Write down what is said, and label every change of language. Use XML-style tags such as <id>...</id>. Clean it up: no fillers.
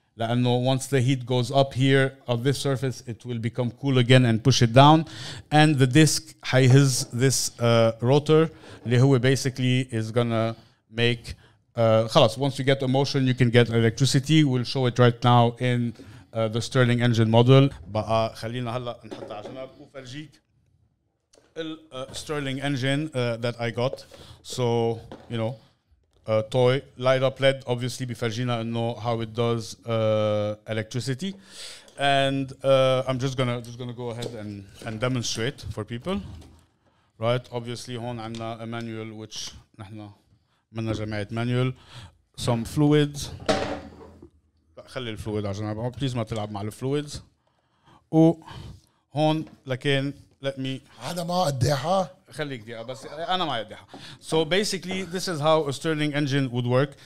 <ar>لأنه</ar> <en>once the heat goes up here on this surface, it will become cool again and push it down, and the disc has this rotor,</en> <ar>اللي هو</ar> <en>basically is gonna make.</en> <ar>خلاص</ar> <en>once you get a motion you can get electricity. We'll show it right now in the Stirling engine model.</en> <ar>بقى خلينا هلا نحطها عشان افرجيك ال Stirling engine</ar> <en>that I got. So you know, toy light up led obviously</en> <ar>بفرجينا انه</ar> <en>how it does electricity. And I'm just gonna go ahead and demonstrate for people, right? Obviously</en> <ar>هون عندنا</ar> <en>a manual which</en> <ar>نحنا من جماعة مانيول،</ar> <en>some fluids،</en> <ar>خلي الفلويد عشان أبغى،</ar> <en>please</en> <ar>ما تلعب مع الفلويد، وهون لكن</ar> <en>let me</en> <ar>هذا ما أديها، خليك ديها بس أنا ما أديها.</ar> <en>So basically this is how a Stirling engine would work.</en>